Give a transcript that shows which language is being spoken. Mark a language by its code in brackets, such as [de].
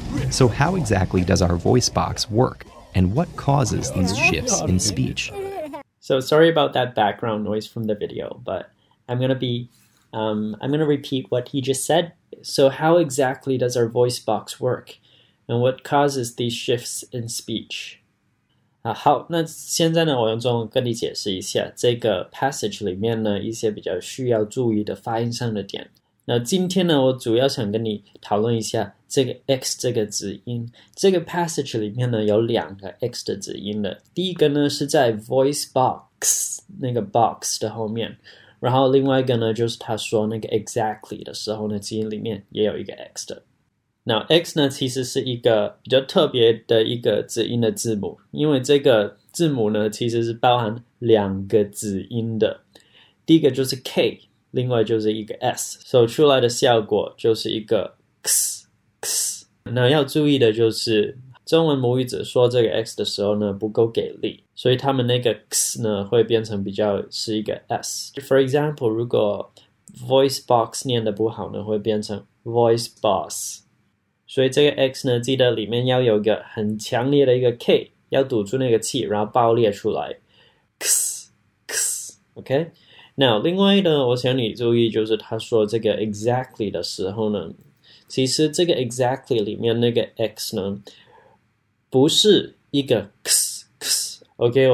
[en] So how exactly does our voice box work, and what causes these shifts in speech? So sorry about that background noise from the video, but I'm gonna repeat what he just said. So how exactly does our voice box work, and what causes these shifts in speech? [zh] 好，那现在呢，我用中文跟你解释一下这个 passage 里面呢一些比较需要注意的发音上的点。那今天呢，我主要想跟你讨论一下这个 x 这个子音。这个 passage 里面呢有两个 x 的子音的，第一个呢是在 voice box 那个 box 的后面，然后另外一个呢就是他说那个 exactly 的时候呢，子音里面也有一个 x 的。 Now, X 呢其实是一个比较特别的一个子音的字母，因为这个字母呢其实是包含两个子音的，第一个就是 K, 另外就是一个 S, 所以出来的效果就是一个 X。那要注意的就是中文母语者说这个 X 的时候呢不够给力，所以他们那个 X 呢会变成比较是一个 S。 [en] For example, [zh] 如果 voice box 念的不好呢会变成 voice boss。所以这个 X 呢记得里面要有一个很强烈的一个 K, 要堵住那个气然后爆裂出来。 [en] X,OK?、Okay? Now, [zh] 另外呢我想你注意就是他说这个 exactly 的时候呢，其实这个 exactly 里面那个 X 呢不是一个 X, [en] OK?、Okay?